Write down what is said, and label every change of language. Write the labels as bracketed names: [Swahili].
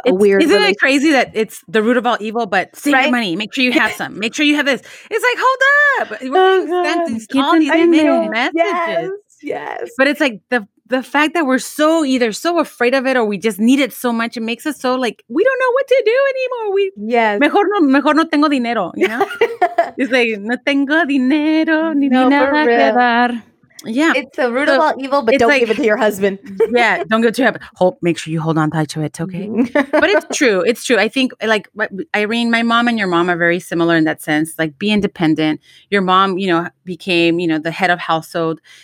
[English] Isn't it crazy that it's the root of all evil, but save your money. Make sure you have some. Make sure you have this. It's like, hold up. Oh, God. All these messages. Yes. But it's like the the fact that we're so either so afraid of it or we just need it so much, it makes us so like, we don't know what to do anymore. We, yes. [Spanish] Mejor no tengo dinero, [English] you know? It's like, [Spanish] no tengo dinero, ni no, nada que dar. [English] Yeah. It's a root of all evil, but don't give it to your husband. Yeah, don't give it to your husband. Make sure you hold on tight to it, okay? But it's true. It's true. I think, like, Irene, my mom and your mom are very similar in that sense. Like, be independent. Your mom, you know, became, you know, the head of household.